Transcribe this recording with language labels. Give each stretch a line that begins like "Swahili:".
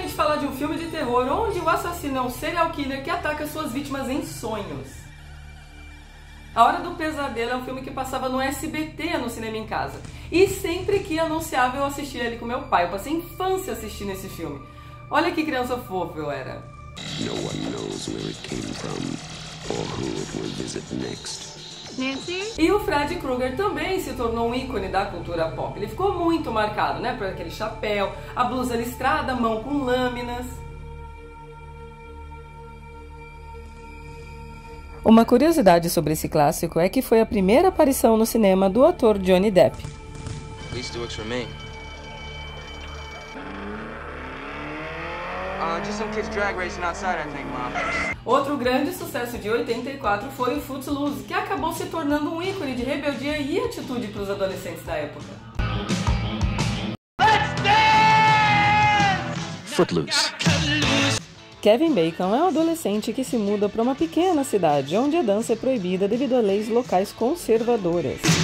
Portuguese: Onde o assassino é um serial killer que ataca suas vítimas em sonhos. A Hora do Pesadelo é um filme que passava no SBT, no cinema em casa. E sempre que anunciava, eu assistia ele com meu pai. Eu passei a infância assistindo esse filme. Olha que criança fofa eu era.
English: No one knows where it came from or who it will visit next.
Portuguese: Nancy? E o Freddy Krueger também se tornou um ícone da cultura pop. Ele ficou muito marcado, né? Por aquele chapéu, a blusa listrada, mão com lâminas. Uma curiosidade sobre esse clássico é que foi a primeira aparição no cinema do ator Johnny Depp.
English: At least it works for me. Just some kids drag racing outside, I think, Mom.
Portuguese: Outro grande sucesso de 84 foi o Footloose, que acabou se tornando um ícone de rebeldia e atitude para os adolescentes da época.
English: Let's dance! Footloose.
Portuguese: Kevin Bacon é um adolescente que se muda para uma pequena cidade, onde a dança é proibida devido a leis locais conservadoras.